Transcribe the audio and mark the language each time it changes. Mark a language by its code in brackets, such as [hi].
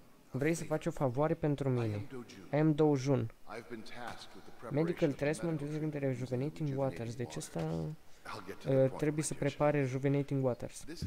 [ro] Vrei să faci o favoare pentru mine? [en] I am Dojun. Medical treatment is under rejuvenating waters. [ro] Deci asta trebuie să prepare rejuvenating waters.